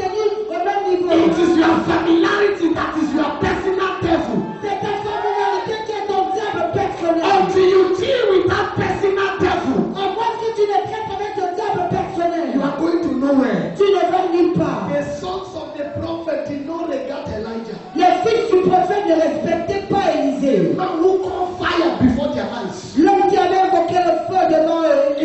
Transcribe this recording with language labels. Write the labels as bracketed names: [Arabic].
[English] It is your familiarity that is your personal devil. [French] C'est ta familiarité qui est ton diable personnel. [English] Until you deal with that personal devil. [French] À moins que tu ne traites avec ton diable personnel. [English] You are going to nowhere. [French] Tu ne vas nulle part. [English] The sons of the prophet did not regard Elijah. [French] Les fils du prophète ne respectaient pas Élisée. [English] A man who called fire before their eyes. [French] L'homme qui avait invoqué le feu devant eux.